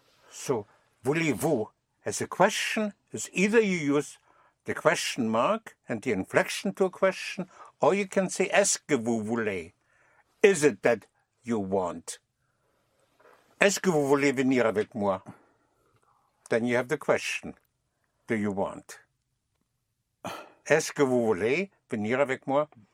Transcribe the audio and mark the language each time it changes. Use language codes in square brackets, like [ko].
[en] So, [fr] voulez-vous [en] as a question is either you use the question mark and the inflection to a question, or you can say, [fr] est-ce-que-vous voulez? [en] Is it that you want? [fr] Est-ce-que-vous voulez venir avec moi? [en] Then you have the question, do you want? [fr] Est-ce-que-vous voulez venir avec moi?